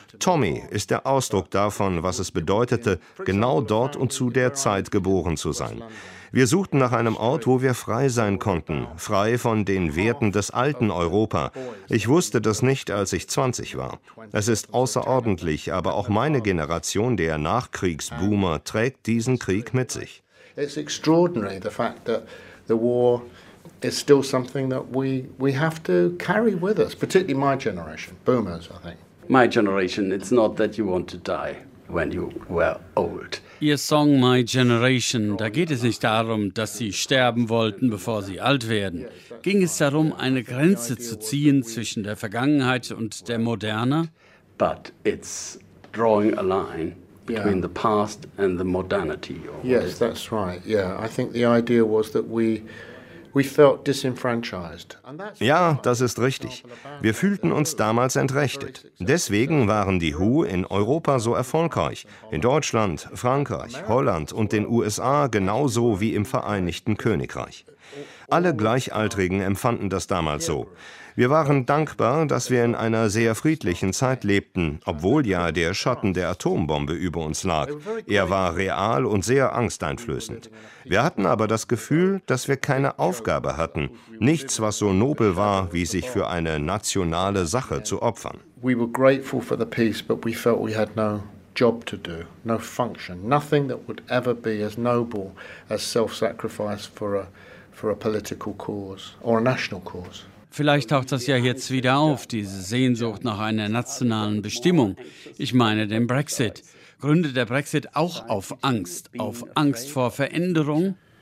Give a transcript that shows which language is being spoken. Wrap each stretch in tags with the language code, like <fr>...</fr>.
<de>Tommy ist der Ausdruck davon, was es bedeutete, genau dort und zu der Zeit geboren zu sein. Wir suchten nach einem Ort, wo wir frei sein konnten, frei von den Werten des alten Europa. Ich wusste das nicht, als ich 20 war. Es ist außerordentlich, aber auch meine Generation der Nachkriegsboomer trägt diesen Krieg mit sich.</de> <en>It's extraordinary the fact that the war is still something that we have to carry with us, particularly my generation, boomers, I think. My generation, it's not that you want to die when you were old.</en> <de>Ihr Song My Generation, da geht es nicht darum, dass Sie sterben wollten, bevor Sie alt werden. Ging es darum, eine Grenze zu ziehen zwischen der Vergangenheit und der Moderne?</de> <en>But it's drawing a line between the past and the modernity. Yes, that's right. Yeah, I think the idea was that we felt disenfranchised.</en> <de>Ja, das ist richtig. Wir fühlten uns damals entrechtet. Deswegen waren die Who in Europa so erfolgreich. In Deutschland, Frankreich, Holland und den USA genauso wie im Vereinigten Königreich. Alle Gleichaltrigen empfanden das damals so. Wir waren dankbar, dass wir in einer sehr friedlichen Zeit lebten, obwohl ja der Schatten der Atombombe über uns lag. Er war real und sehr angsteinflößend. Wir hatten aber das Gefühl, dass wir keine Aufgabe hatten, nichts, was so nobel war, wie sich für eine nationale Sache zu opfern.</de> <en>We were grateful for the peace, but we felt we had no job to do, no function, nothing that would ever be as noble as self-sacrifice for a political cause or a national cause.</en> <de>Vielleicht taucht das ja jetzt wieder auf, diese Sehnsucht nach einer nationalen Bestimmung. Ich meine den Brexit. Gründet der Brexit auch auf Angst vor Veränderung?</de>